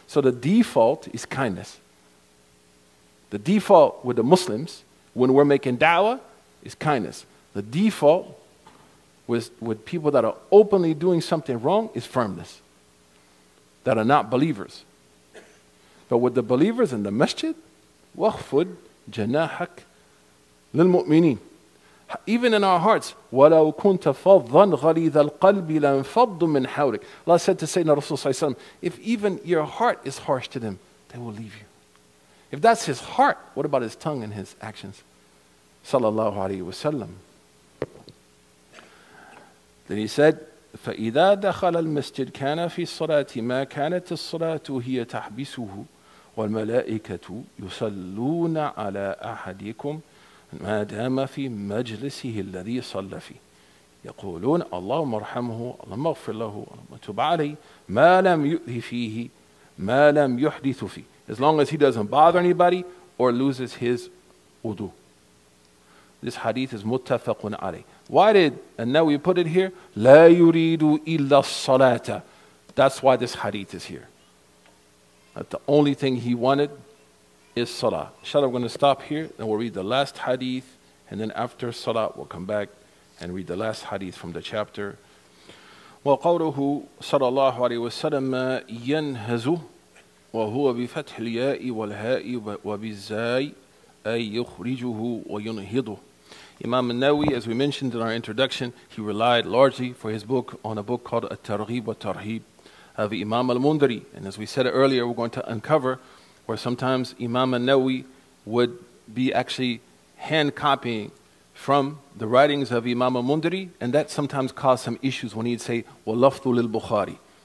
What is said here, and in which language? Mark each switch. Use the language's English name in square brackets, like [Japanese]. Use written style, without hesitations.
[English] So the default is kindness. The default with the Muslims, when we're making da'wah, is kindness. The default with people that are openly doing something wrong is firmness, that are not believers. But with the believers in the masjid, [Arabic] وَخْفُدْ جَنَاحَكْ لِلْمُؤْمِنِينَ. [English] Even in our hearts, [Arabic] وَلَوْ كُنْتَ فَضًّا غَلِيظَ الْقَلْبِ لَانْفَضُّ مِنْ حَوْلِكَ. [English] Allah said to Sayyidina Rasulullah, if even your heart is harsh to them, they will leave you. If that's his heart, what about his tongue and his actions? Sallallahu alayhi wa sallam. Then he said, [Arabic] فَإِذَا دَخَلَ الْمَسْجِدِ كَانَ فِي الصَّلَاةِ مَا كَانَتِ الصَّلَاةُ هِيَ تَحْبِسُهُ وَالْمَلَائِكَةُ يُسَلُّونَ عَلَى أَحَدِكُمْ مَا دَامَ فِي مَجْلِسِهِ الَّذِي صَلَّ فِيهِ يَقُولُونَ اللَّهُمَّ ارْحَمْهُ اللَّهُمَّ اغْفِرْ لَهُ اللَّهُمَّ تُبْ عَلَيْهِ مَا لَمْ يُؤْذِ فِيهِ مَا لَمْ يُحْدِثُ فِيهِ. [English] As long as he doesn't bother anybody or loses his wudu. This hadith is muttafaqun alayh. Why did, and now we put it here, [Arabic] لَا يُرِيدُ إِلَّا الصَّلَاةَ. [English] That's why this hadith is here. That the only thing he wanted is salah. Inshallah, we're going to stop here and we'll read the last hadith, and then after salah we'll come back and read the last hadith from the chapter. [Arabic] وقوله صلى الله عليه وسلم ينهز وهو بفتح الياء والهاء وبالزاي أي يخرجه وينهضه. [English] Imam An-Nawi, as we mentioned in our introduction, he relied largely for his book on a book called At-Targhib wa-Tarhib of Imam Al-Mundari. And as we said earlier, we're going to uncover where sometimes Imam An-Nawi would be actually hand-copying from the writings of Imam Al-Mundari, and that sometimes caused some issues when he'd say, [Arabic] وَلَفْظُ لِلْبُخَارِي.